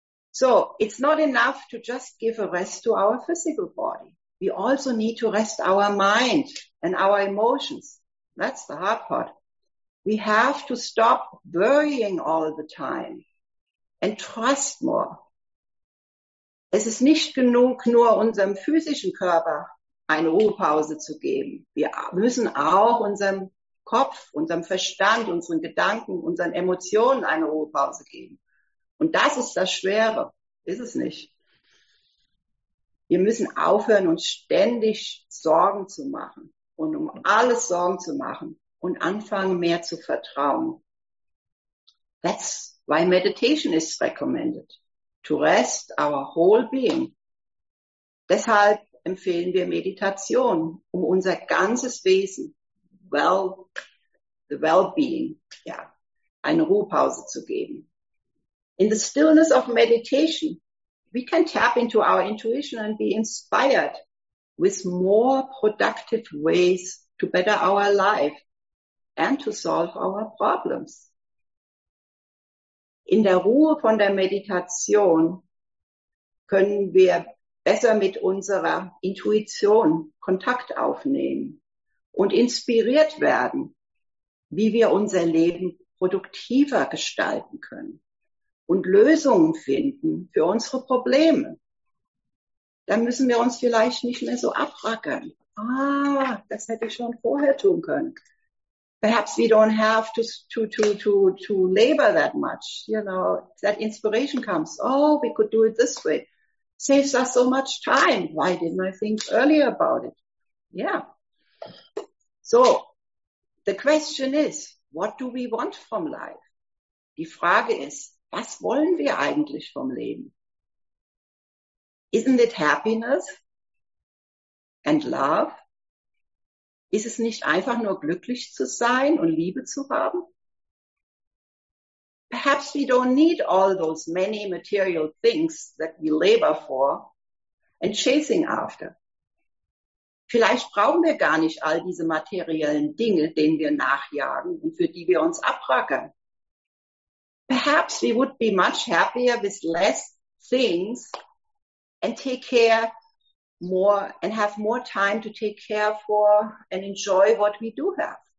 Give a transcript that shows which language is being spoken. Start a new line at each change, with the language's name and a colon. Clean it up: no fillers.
English: So, it's not enough to just give a rest to our physical body. We also need to rest our mind and our emotions. That's the hard part. We have to stop worrying all the time and trust more.
German: Es ist nicht genug, nur unserem physischen Körper eine Ruhepause zu geben. Wir müssen auch unserem Kopf, unserem Verstand, unseren Gedanken, unseren Emotionen eine Ruhepause geben. Und das ist das Schwere, ist es nicht? Wir müssen aufhören, uns ständig Sorgen zu machen und um alles Sorgen zu machen und anfangen mehr zu vertrauen.
English: That's why meditation is recommended. To rest our whole being.
German: Deshalb empfehlen wir Meditation, um unser ganzes Wesen, eine Ruhepause zu geben.
English: In the stillness of meditation, we can tap into our intuition and be inspired with more productive ways to better our life and to solve our problems.
German: In der Ruhe von der Meditation können wir besser mit unserer Intuition Kontakt aufnehmen und inspiriert werden, wie wir unser Leben produktiver gestalten können und Lösungen finden für unsere Probleme. Dann müssen wir uns vielleicht nicht mehr so abrackern. Ah, das hätte ich schon vorher tun können.
English: Perhaps we don't have to labor that much. You know, that inspiration comes. Oh, we could do it this way. Saves us so much time. Why didn't I think earlier about it? Yeah. So, the question is, what do we want from life?
German: Die Frage ist, was wollen wir eigentlich vom Leben?
English: Isn't it happiness and love?
German: Ist es nicht einfach nur glücklich zu sein und Liebe zu haben?
English: Perhaps we don't need all those many material things that we labor for and chasing after.
German: Vielleicht brauchen wir gar nicht all diese materiellen Dinge, denen wir nachjagen und für die wir uns abrackern.
English: Perhaps we would be much happier with less things and take care more and have more time to take care for and enjoy what we do have.